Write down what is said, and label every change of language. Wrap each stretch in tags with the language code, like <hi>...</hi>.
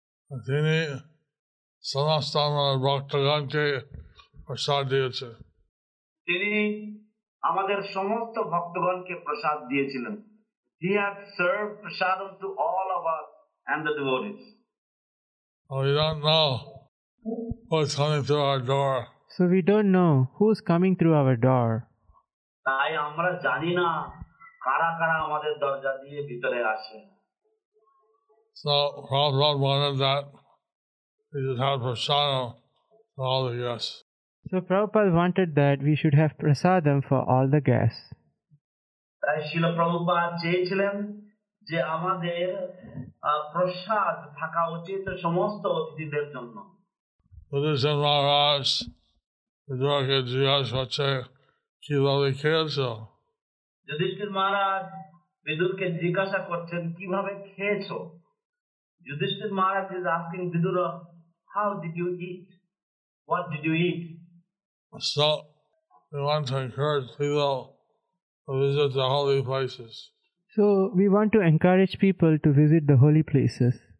<bn>তিনি সমস্ত আমাদের ভক্তগণকে প্রসাদ দিয়েছেন. তিনি আমাদের সমস্ত ভক্তগণকে প্রসাদ দিয়েছিলেন.</bn> <en>He had served prasad to all of us and the devotees. Oh, we don't know who's coming through our door. So we don't know who's coming through our door.</en> <bn>তাই আমরা জানি না কারা কারা আমাদের দরজা দিয়ে ভিতরে আসে.</bn> <en>So Prabhupada wanted that we should have prasadam for all the guests. So Prabhupada wanted that we should have prasadam for all the guests.</en> <bn>তাই শ্রীল প্রভুপাদ চেয়েছিলেন যে আমাদের প্রসাদ থাকা উচিত সমস্ত অতিথিদের জন্য. বুদ্ধদেব মহারাজ বিদুরকে জিজ্ঞাসা করছে কিভাবে খেয়েছ. যুধিষ্ঠির মহারাজ বিদুরকে জিজ্ঞাসা করছেন কিভাবে খেয়েছ.</bn> <en>Yudhishthir Maharaj is asking Vidur, how did you eat, what did you eat. So we want to encourage people to visit the holy places. So we want to encourage people to visit the holy places.</en>